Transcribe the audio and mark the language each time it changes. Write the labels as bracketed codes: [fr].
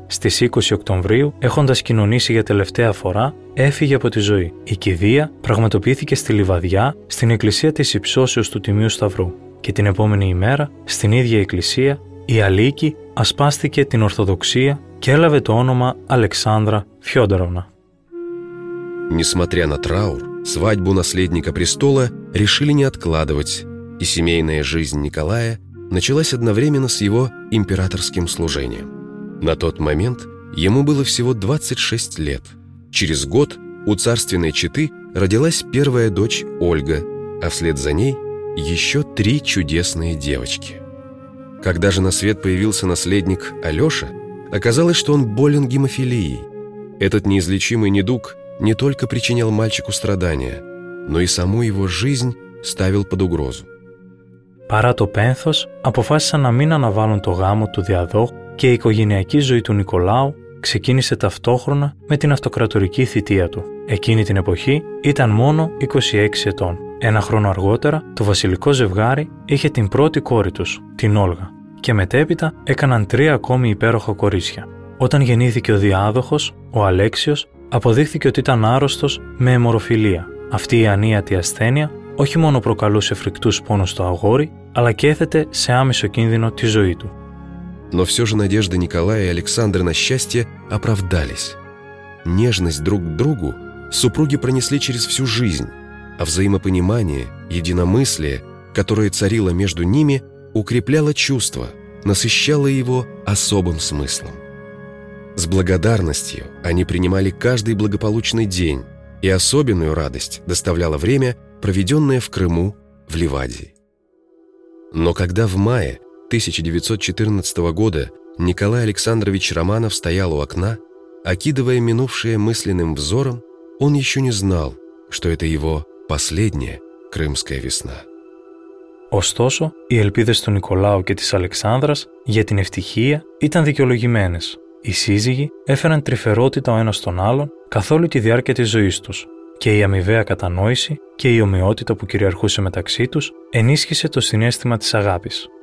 [el] Στις 20 Οκτωβρίου, έχοντας κοινωνήσει για τελευταία φορά, έφυγε από τη ζωή. Η κηδεία πραγματοποιήθηκε στη Λιβαδιά, στην εκκλησία της Υψώσεως του Τιμίου Σταυρού. Και την επόμενη ημέρα, στην ίδια εκκλησία, η Αλίκη ασπάστηκε την Ορθοδοξία και έλαβε το όνομα Αλεξάνδρα Φιόντεροβνα. [ru] Несмотря на траур, свадьбу наследника престола решили не откладывать, и семейная жизнь Николая началась одновременно с его императорским служением. На тот момент ему было всего 26 лет. Через год у царственной четы родилась первая дочь Ольга, а вслед за ней еще три чудесные девочки. Когда же на свет появился наследник Алеша, оказалось, что он болен гемофилией. Этот неизлечимый недуг не только причинял мальчику страдания, но и саму его жизнь ставил под угрозу. [el] Παρά το πένθος, αποφάσισαν να μην αναβάλουν το γάμο του Διαδόχου και η οικογενειακή ζωή του Νικολάου ξεκίνησε ταυτόχρονα με την αυτοκρατορική θητεία του. Εκείνη την εποχή ήταν μόνο 26 ετών. Ένα χρόνο αργότερα, το βασιλικό ζευγάρι είχε την πρώτη κόρη τους, την Όλγα. Και μετέπειτα έκαναν τρία ακόμη υπέροχα κορίτσια. Όταν γεννήθηκε ο Διάδοχος, ο Αλέξιος, αποδείχθηκε ότι ήταν άρρωστος με αιμορροφιλία. Αυτή η ανίατη ασθένεια όχι μόνο προκαλούσε φρικτούς πόνους στο αγόρι, αλλά και έθετε σε άμεσο κίνδυνο τη ζωή του. [ru] Но все же надежды Николая и Александры на счастье оправдались. Нежность друг к другу супруги пронесли через всю жизнь, а взаимопонимание, единомыслие, которое царило между ними, укрепляло чувство, насыщало его особым смыслом. С благодарностью они принимали каждый благополучный день, и особенную радость доставляло время, проведенное в Крыму, в Ливадии. Но когда в мае 1914 года Николай Александрович Романов стоял у окна, окидывая минувшее мысленным взором, он еще не знал, что это его последняя крымская весна. [el] Ωστόσο, οι ελπίδες του Νικολάου και της Αλεξάνδρας για την ευτυχία ήταν δικαιολογημένες. Οι σύζυγοι έφεραν τρυφερότητα ο ένας τον άλλον καθ' όλη τη διάρκεια της ζωής τους και η αμοιβαία κατανόηση και η ομοιότητα που κυριαρχούσε μεταξύ τους ενίσχυσε το συνέστημα της αγάπης.